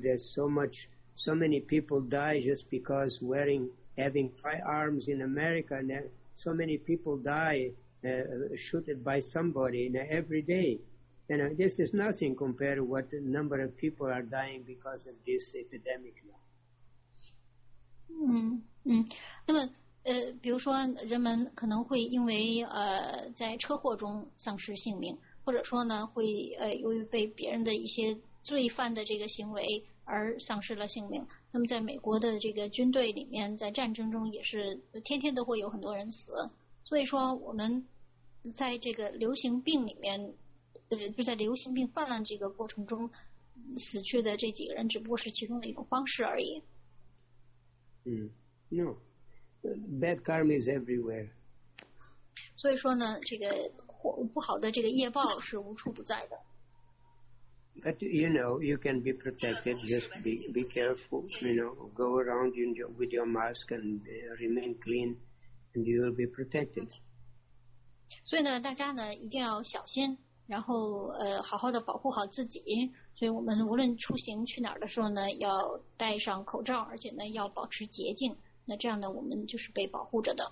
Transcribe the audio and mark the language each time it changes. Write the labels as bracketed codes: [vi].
[en] There's so many people die just because having firearms in America. And so many people die, shooted by somebody every day. And this is nothing compared to what the number of people are dying because of this epidemic now. [zh] 嗯嗯，那么比如说人们可能会因为在车祸中丧失性命。或者说呢，会由于被别人的一些罪犯的这个行为而丧失了性命。那么，在美国的这个军队里面，在战争中也是天天都会有很多人死。所以说，我们在这个流行病里面，就在流行病泛滥这个过程中，死去的这几个人只不过是其中的一种方式而已。 [en] 嗯 ，No, bad karma is everywhere. [zh] 所以说呢，这个。不好的这个业报是无处不在的。 [en] But you know, you can be protected. Just be careful. You know, go around with your mask and remain clean, and you will be protected. [zh] 所以呢，大家呢一定要小心，然后好好的保护好自己。所以我们无论出行去哪儿的时候呢，要戴上口罩，而且呢要保持洁净。那这样呢，我们就是被保护着的。